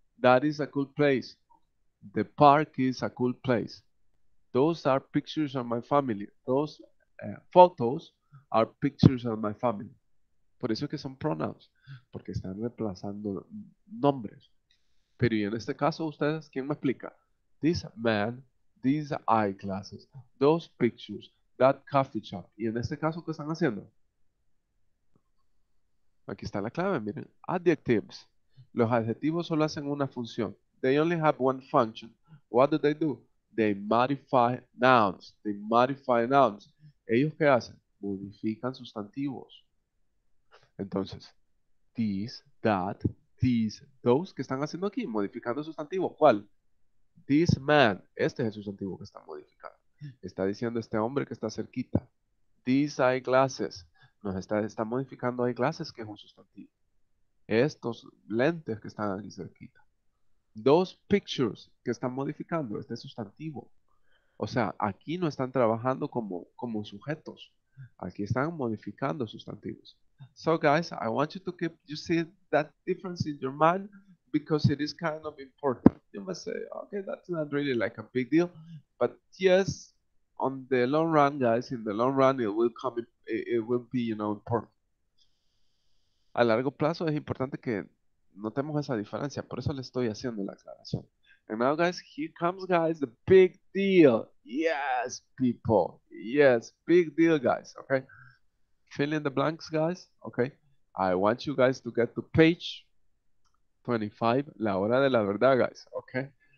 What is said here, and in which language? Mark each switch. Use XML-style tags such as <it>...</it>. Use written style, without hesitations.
<en>That is a cool place. The park is a cool place. Those are pictures of my family. Those photos are pictures of my family.</en> <es>Por eso es que son pronouns, porque están reemplazando nombres. Pero y en este caso, ustedes, ¿quién me explica?</es> <en>This man, these eyeglasses, those pictures, that coffee shop.</en> <es>Y en este caso, ¿qué están haciendo? Aquí está la clave, miren. Adjectives. Los adjetivos solo hacen una función.</es> <en>They only have one function. What do? They modify nouns. They modify nouns.</en> <es>¿Ellos qué hacen? Modifican sustantivos. Entonces, these, that, these, those, ¿qué están haciendo aquí? Modificando sustantivo. ¿Cuál?</es> <en>This man,</en> <es>este es el sustantivo que está modificando. Está diciendo este hombre que está cerquita.</es> <en>These eyeglasses,</en> <es>nos está modificando eyeglasses, que es un sustantivo. Estos lentes que están aquí cerquita.</es> <en>Those pictures,</en> <es>que están modificando, este es sustantivo. O sea, aquí no están trabajando como sujetos. Aquí están modificando sustantivos.</es> <en>So guys, I want you to keep, you see that difference in your mind, because it is kind of important. You must say, okay, that's not really like a big deal, but yes, on the long run, guys, in the long run, it will be, you know, important.</en> <es>A largo plazo es importante que notemos esa diferencia, por eso le estoy haciendo la aclaración.</es> <en>And now, guys, here comes, guys, the big deal. Yes, people. Yes, big deal, guys, okay? Fill in the blanks, guys, okay? I want you guys to get to page 25,</en> <es>la hora de la verdad,</es> <en>guys, okay?</en>